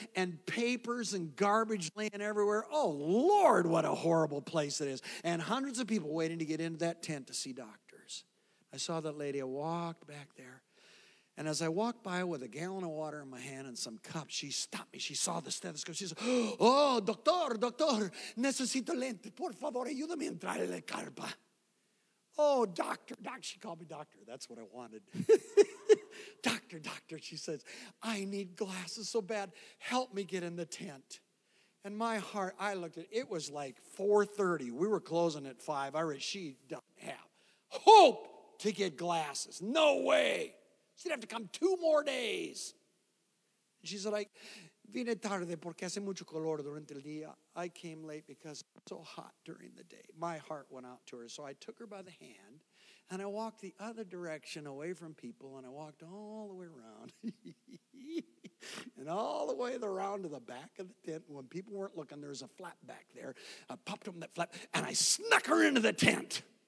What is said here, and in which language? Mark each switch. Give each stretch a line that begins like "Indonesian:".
English: And papers and garbage laying everywhere. Oh, Lord, what a horrible place it is. And hundreds of people waiting to get into that tent to see doctors. I saw that lady. I walked back there. And as I walked by with a gallon of water in my hand and some cups, she stopped me. She saw the stethoscope. She said, oh, doctor,
Spanish: necesito lente. Por favor, ayúdame a entrar en la carpa.
English: Oh, doctor, she called me doctor. That's what I wanted. doctor, she says, I need glasses so bad. Help me get in the tent. And my heart, I looked at it was like 4:30. We were closing at 5. I read, she doesn't have hope to get glasses. No way. She'd have to come 2 more days. She said, like,
Spanish: vine tarde porque hace mucho calor durante el día.
English: I came late because it's so hot during the day. My heart went out to her. So I took her by the hand, and I walked the other direction away from people, and I walked all the way around and all the way around to the back of the tent. When people weren't looking, there was a flap back there. I popped open that flap, and I snuck her into the tent.